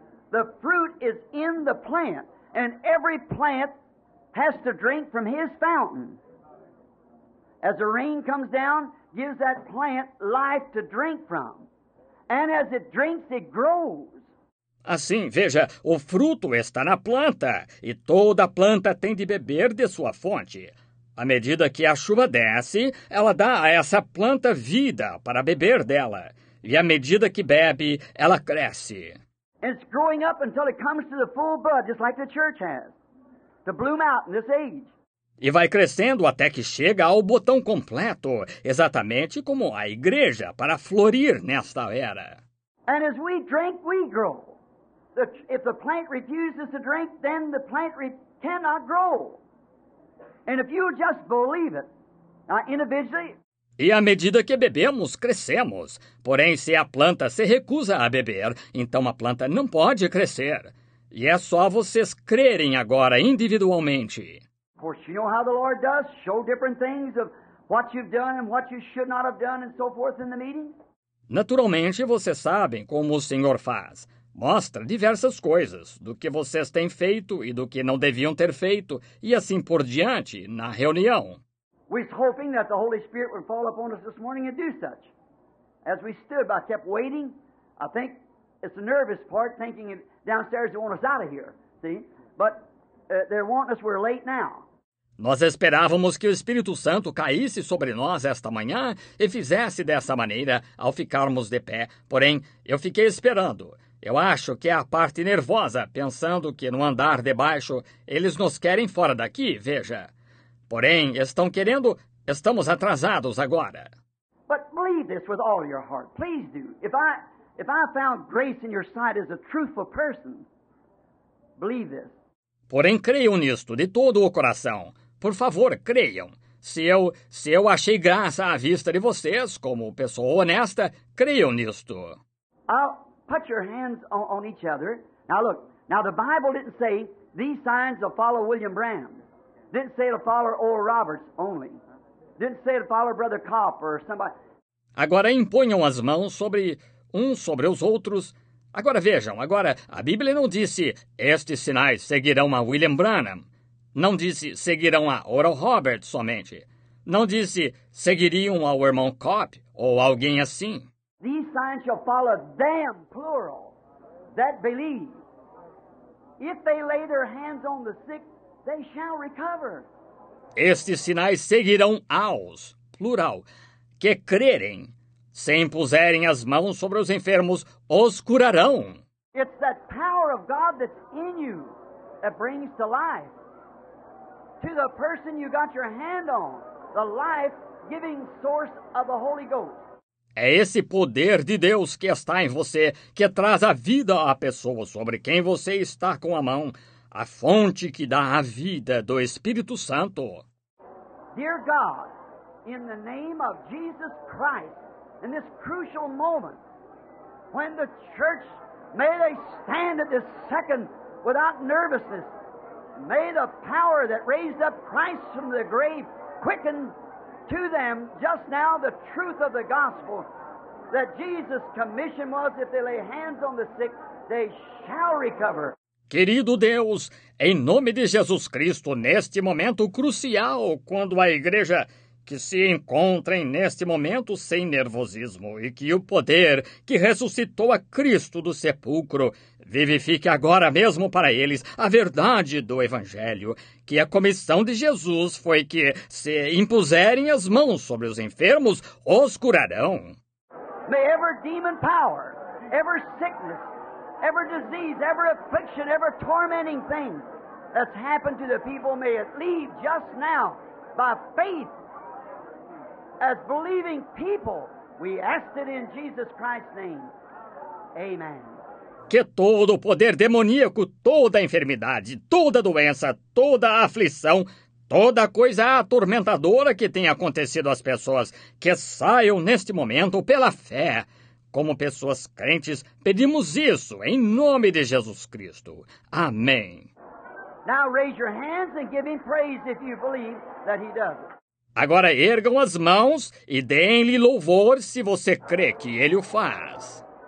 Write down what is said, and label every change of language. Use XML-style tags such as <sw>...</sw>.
<en>The fruit is in the plant, and every plant has to drink from his fountain. As the rain comes down, gives that plant life to drink from. And as it drinks, it grows.</en> <pt>Assim, veja, o fruto está na planta, e toda planta tem de beber de sua fonte. À medida que a chuva desce, ela dá a essa planta vida para beber dela. E à medida que bebe, ela cresce.</pt> <en>It's growing up until it comes to the full bud, just like the church has, to bloom out in this age.</en> <pt>E vai crescendo até que chega ao botão completo, exatamente como a igreja, para florir nesta era.</pt> <en>And as we drink, we grow. If the plant refuses to drink, then the plant cannot grow. And if you just believe it, now individually.</en> <pt>E à medida que bebemos, crescemos. Porém, se a planta se recusa a beber, então a planta não pode crescer. E é só vocês crerem agora individualmente.</pt> <en>Of course, you know how the Lord does, show different things of what you've done and what you should not have done and so forth in the meeting.</en> <pt>Naturalmente, vocês sabem como o Senhor faz. Mostra diversas coisas, do que vocês têm feito e do que não deviam ter feito, e assim por diante, na reunião.</pt> <en>We're hoping that the Holy Spirit would fall upon us this morning and do such. As we stood, I kept waiting. I think it's the nervous part, thinking downstairs they want us out of here. See? But they're wanting us, we're late now.</en> <pt>Nós esperávamos que o Espírito Santo caísse sobre nós esta manhã e fizesse dessa maneira ao ficarmos de pé. Porém, eu fiquei esperando. Eu acho que é a parte nervosa, pensando que no andar de baixo eles nos querem fora daqui, veja. Porém, estão querendo, estamos atrasados agora.</pt> <en>But believe this with all your heart. Please do. If I found grace in your sight as a truthful person, believe this.</en> <pt>Porém, creiam nisto de todo o coração. Por favor, creiam. Se eu achei graça à vista de vocês como pessoa honesta, creiam nisto.</pt> <en>I'll put your hands on each other. Now look, now the Bible didn't say these signs will follow William Branham. Didn't say to follow Oral Roberts only. Didn't say to follow Brother Kopp or somebody.</en> <pt>Agora imponham as mãos sobre uns sobre os outros. Agora vejam, agora a Bíblia não disse estes sinais seguirão a William Branham. Não disse seguirão a Oral Roberts somente. Não disse seguiriam ao irmão Kopp ou alguém assim.</pt> <en>These signs shall follow them, plural, that believe. If they lay their hands on the sick, they shall recover.</en> <pt>Estes sinais seguirão aos, plural, que crerem. Se impuserem as mãos sobre os enfermos, os curarão.</pt> <en>It's that power of God that's in you that brings to life. To the person you got your hand on, the life-giving source of the Holy Ghost.</en> <pt>É esse poder de Deus que está em você, que traz a vida à pessoa sobre quem você está com a mão, a fonte que dá a vida do Espírito Santo.</pt> <en>Dear God, in the name of Jesus Christ, in this crucial moment, when the church may they stand at this second without nervousness, may the power that raised up Christ from the grave quicken to them just now the truth of the gospel that Jesus' commission was if they lay hands on the sick, they shall recover.</en> <pt>Querido Deus, em nome de Jesus Cristo, neste momento crucial, quando a igreja que se encontrem neste momento sem nervosismo e que o poder que ressuscitou a Cristo do sepulcro vivifique agora mesmo para eles a verdade do Evangelho, que a comissão de Jesus foi que se impuserem as mãos sobre os enfermos, os curarão.</pt> <en>May every demon power, every sickness, every disease, every affliction, every tormenting thing that's happened to the people, may it leave just now by faith. As believing people, we ask it in Jesus Christ's name. Amen.</en> <pt>Que todo o poder demoníaco, toda a enfermidade, toda a doença, toda a aflição, toda a coisa atormentadora que tenha acontecido às pessoas, que saiam neste momento pela fé. Como pessoas crentes, pedimos isso em nome de Jesus Cristo. Amém.</pt> <en>Now raise your hands and give him praise if you believe that he does.</en> <pt>Agora ergam as mãos e deem-lhe louvor se você crê que ele o faz.</pt>